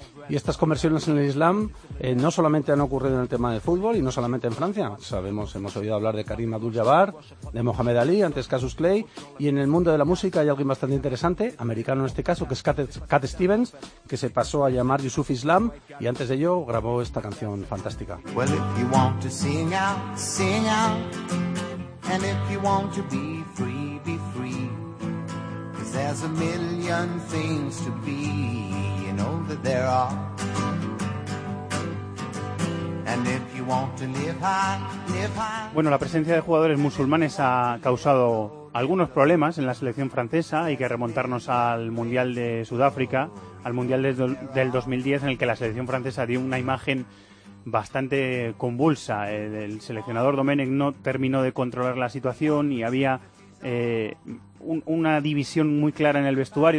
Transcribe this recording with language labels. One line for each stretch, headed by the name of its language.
Spanish: Y estas conversiones en el Islam no solamente han ocurrido en el tema del fútbol y no solamente en Francia. Sabemos, hemos oído hablar de Karim Abdul-Jabbar, de Mohamed Ali, antes Cassius Clay. Y en el mundo de la música hay alguien bastante interesante, americano en este caso, que es Cat Stevens, que se pasó a llamar Yusuf Islam y antes de ello grabó esta canción fantástica.
English: Well, if you want to sing out, sing out. And if you want to be free, be free. 'Cause there's a million things to be, you know that there are. And if you want to live high, live high.
Spanish: Bueno, la presencia de jugadores musulmanes ha causado algunos problemas en la selección francesa. Hay que remontarnos al Mundial de Sudáfrica, al Mundial del 2010, en el que la selección francesa dio una imagen bastante convulsa. El seleccionador Domenech no terminó de controlar la situación y había una división muy clara en el vestuario.